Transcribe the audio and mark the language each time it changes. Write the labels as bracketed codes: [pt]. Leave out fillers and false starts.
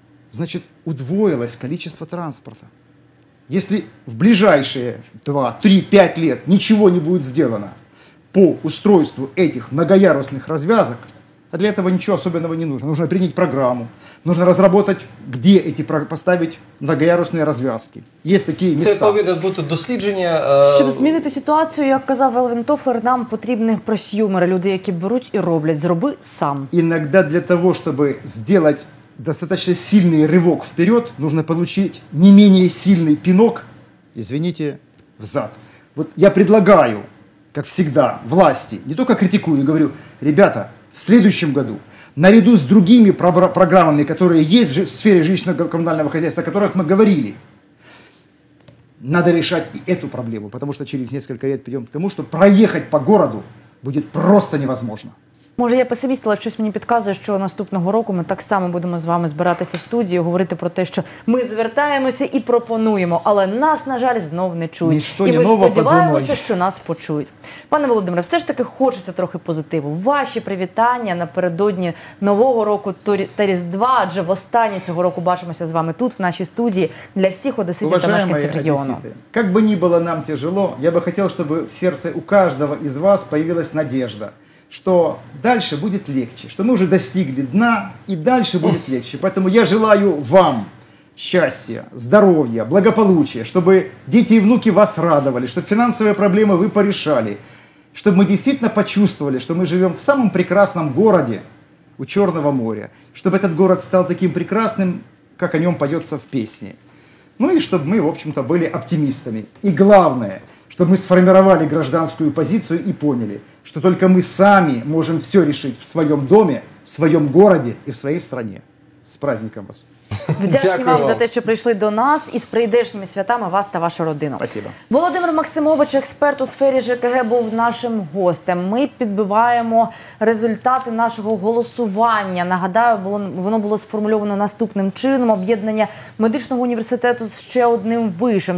[ru] Значит, удвоилось количество транспорта. Если в ближайшие 2-3-5 лет ничего не будет сделано по устройству этих многоярусных развязок, а для этого ничего особенного не нужно. Нужно принять программу, нужно разработать, где эти поставить многоярусные развязки. Есть такие места. [uk] Це повинно бути дослідження. Щоб змінити ситуацію, як казав Елвін Тофлер, нам потрібні просьюмери, люди, які беруть і роблять. Зроби сам. [ru] Иногда для того, чтобы сделать достаточно сильный рывок вперед, нужно получить не менее сильный пинок, извините, взад. Вот я предлагаю, как всегда, власти, не только критикую, я говорю: ребята, в следующем году, наряду с другими программами, которые есть в сфере жилищно-коммунального хозяйства, о которых мы говорили, надо решать и эту проблему, потому что через несколько лет придем к тому, что проехать по городу будет просто невозможно. [uk] Може, я песимістка, але щось мені підказує, що наступного року ми так само будемо з вами збиратися в студії, говорити про те, що ми звертаємося і пропонуємо, але нас, на жаль, знов не чують. Ніщо і ми сподіваємося, подумає, що нас почують. Пане Володимире, все ж таки хочеться трохи позитиву. Ваші привітання напередодні нового року та Різдва, адже востаннє цього року бачимося з вами тут, в нашій студії, для всіх одеситів та мешканців регіону. Як би ні було нам тяжело, я би хотів, щоб в серці у кожного із вас з'явилась надія, [ru] что дальше будет легче, [uk] что мы уже достигли дна, и дальше будет легче. [ru] Поэтому я желаю вам счастья, здоровья, благополучия, чтобы дети и внуки вас радовали, чтобы финансовые проблемы вы порешали, чтобы мы действительно почувствовали, что мы живем в самом прекрасном городе у Черного моря, чтобы этот город стал таким прекрасным, как о нем поется в песне. Ну и чтобы мы, в общем-то, были оптимистами. И главное, чтобы мы сформировали гражданскую позицию и поняли, что только мы сами можем все решить в своем доме, в своем городе и в своей стране. С праздником вас! [uk] Вдячні вам за те, що прийшли до нас, і з прийдешніми святами вас та вашу родину. [ru] Спасибо. [uk] Володимир Максимович, експерт у сфері ЖКГ, був нашим гостем. Ми підбиваємо результати нашого голосування. Нагадаю, воно було сформульовано наступним чином: об'єднання медичного університету з ще одним вишем.